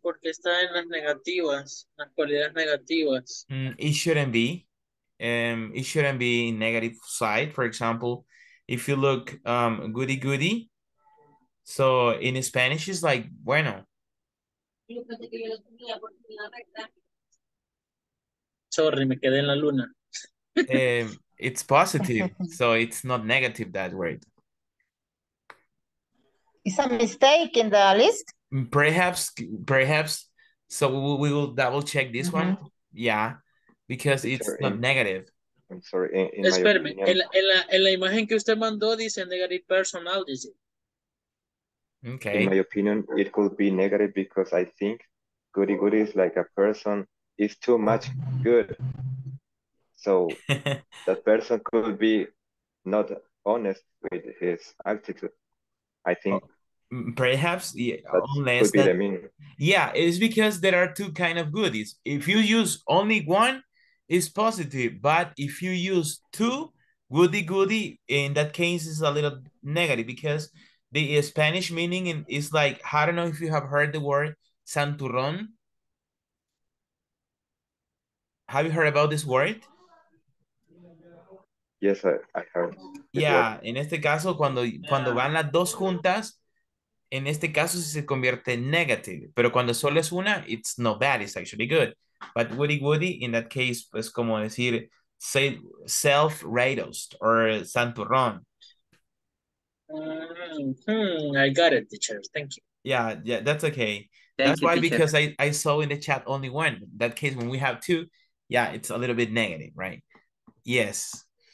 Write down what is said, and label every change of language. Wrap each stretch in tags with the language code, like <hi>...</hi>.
<es>Porque está en las negativas, las cualidades negativas.</es> <en>It shouldn't be. It shouldn't be negative side. For example, if you look goody goody, so in Spanish it's like bueno.</en> <es>Sorry, me quedé en la luna.</es> <en>It's positive, so it's not negative, that word. It's a mistake in the list. Perhaps so we will double check this mm-hmm. one. Yeah. Because it's not negative. I'm sorry.</en> <es>Espérame. En la imagen que usted mandó dice</es> <en>negative personality. Okay. In my opinion, it could be negative because I think goody goody is like a person is too much good. So that person could be not honest with his attitude. I think. Perhaps, yeah, unless could be that, the meaning. Yeah, it's because there are two kind of goodies. If you use only one, it's positive, but if you use two, goody-goody, in that case, is a little negative because the Spanish meaning is like, I don't know if you have heard the word santurrón. Have you heard about this word? Yes, I heard.</en> <es>Yeah, en este caso, cuando van las dos juntas, en este caso se convierte en negative. Pero cuando solo es una,</es> <en>it's not bad, it's actually good. But woody-woody, in that case,</en> <es>es como decir</es> <en>self-raised or santurrón. I got it, teacher. Thank you. Yeah, that's okay. Because I saw in the chat only one. In that case, when we have two, yeah, it's a little bit negative, right? Yes.</en>